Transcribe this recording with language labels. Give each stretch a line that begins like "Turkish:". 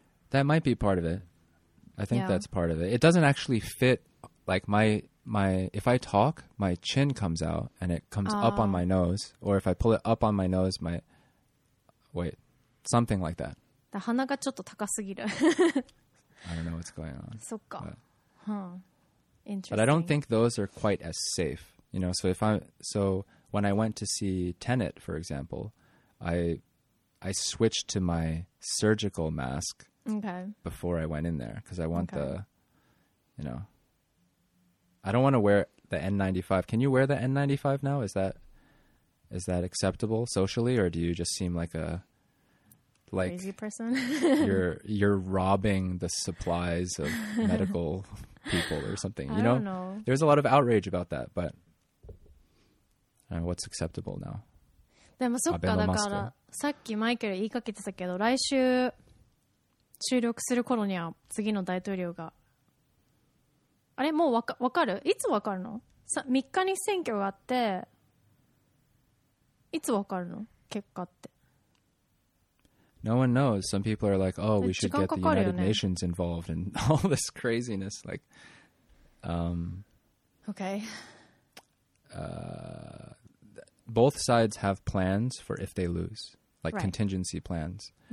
English: That might be part of it. I think、yeah. that's part of it. It doesn't actually fit like my if I talk, my chin comes out and it comes up on my nose, or if I pull it up on my nose, my wait, something like that.
Japanese: 鼻がちょっと高すぎる。
English: I don't know what's going on.
Japanese: そっか。
English: But, huh. Interesting. But I don't think those are quite as safe. You know, so if I, so when I went to see Tenet, for example, I switched to my surgical mask、 okay. before I went in there because I want、okay. the, you know, I don't want to wear the N95. Can you wear the N95 now? Is that acceptable socially, or do you just seem like a... Like, crazy person. you're robbing the supplies of medical people or something. You know? I don't know. There's a lot of outrage about that, but what's acceptable now?
Japanese: でもそっか、だからさっきマイケル言いかけてたけど、来週収録する頃には次の大統領が、あれもうわかる？いつわかるの？ 3日に選挙があって、いつわかるの？結果って。
English: No one knows. Some people are like, oh, we should get the United Nations involved and all this craziness. Like, okay. Both sides have plans for if they lose, like、right. contingency plans.